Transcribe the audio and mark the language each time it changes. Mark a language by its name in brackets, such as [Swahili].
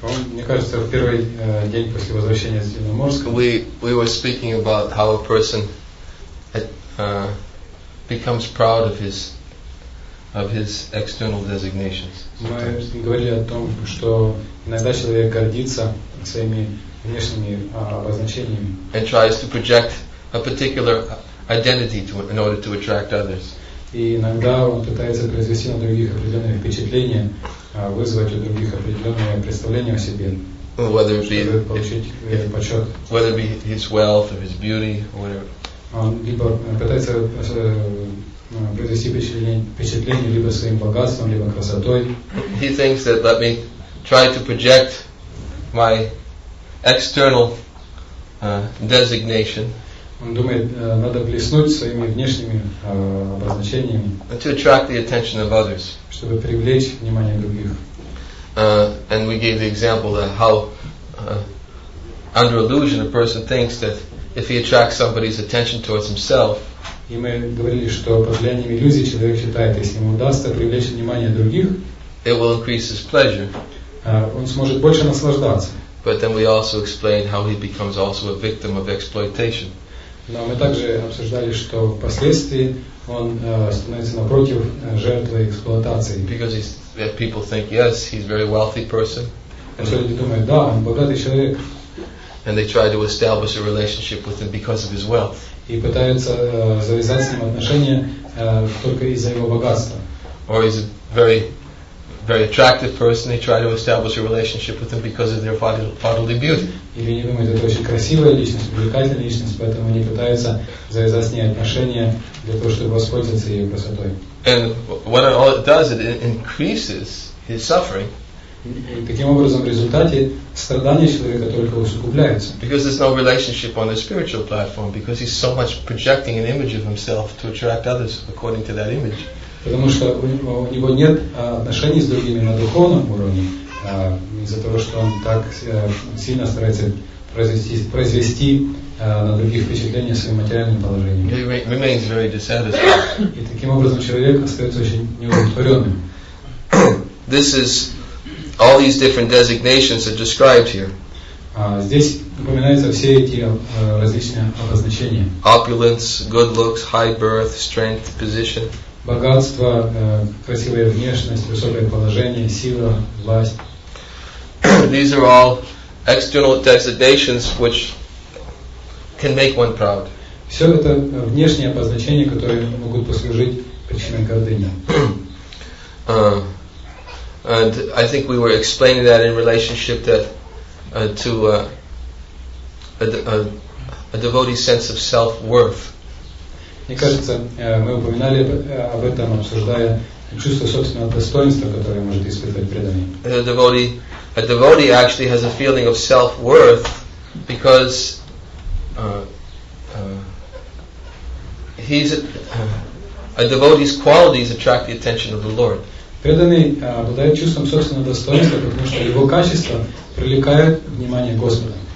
[Russian] Мне кажется, в первый день после возвращения с Дивноморска [English] we were speaking about how a person becomes proud of his external designations. [Russian] Мы говорили о том, что иногда человек гордится своими внешними обозначениями. [English] And tries to project a particular identity to, in order to attract others. [Russian] И иногда он пытается произвести на других определенные впечатления, вызвать у других определенное представление о себе, чтобы получить почет. [English] Whether it be his wealth or his beauty or whatever. [Russian] Он либо пытается произвести впечатление либо своим богатством, либо красотой. [English] He thinks that let me try to project my external designation. [Russian] Он думает, надо блеснуть своими внешними обозначениями, [English] to attract the attention of others. [Russian] Чтобы привлечь внимание других. [English] And we gave the example of how under illusion a person thinks that if he attracts somebody's attention towards himself, [Russian] и мы говорили, что под влиянием иллюзий человек считает, если ему удастся привлечь внимание других, [English] it will increase his pleasure. [Russian] Он сможет больше наслаждаться. [English] But then we also explained how he becomes also a victim of exploitation. [Russian] Но мы также обсуждали, что впоследствии он становится напротив жертвой эксплуатации. [English] Because people think, yes, he's a very wealthy person. [Russian] Потому что люди думают, да, он богатый человек. [English] And they try to establish a relationship with him because of his wealth. [Russian] И пытаются завязать с ним отношения только из-за его богатства. [English] Or he's a very, very attractive person. They try to establish a relationship with him because of their bodily beauty. [Russian] Или они думают, это очень красивая личность, привлекательная личность, поэтому они пытаются завязать с ней отношения для того, чтобы воспользоваться ее красотой. [English] And what all it does, it increases his suffering. [Russian] И таким образом, в результате страдания человека только усугубляются. [English] Because there's no relationship on the spiritual platform, because he's so much projecting an image of himself to attract others according to that image. [Russian] Потому что у него нет отношений с другими на духовном уровне, из-за того, что он так сильно старается произвести на других впечатление своим материальным положением. [English] He remains very dissatisfied. [Russian] И таким образом человек остается очень неудовлетворенным. [English] This is all these different designations are described here. [Russian] Здесь упоминаются все эти различные обозначения. [English] Opulence, good looks, high birth, strength, position. [Russian] Богатство, красивая внешность, высокое положение, сила, власть. [English] These are all external designations which can make one proud. [Russian] Все это внешние обозначения, которые могут послужить причиной гордыни. [English] And I think we were explaining that in relationship that to a devotee's sense of self-worth. [Russian] Мне кажется, мы упоминали об этом, обсуждая чувство собственного достоинства, которое может испытывать преданный. [English] A devotee actually has a feeling of self-worth because a devotee's qualities attract the attention of the Lord. [Russian] Преданный обладает чувством собственного достоинства, потому что его качества привлекают внимание Господа.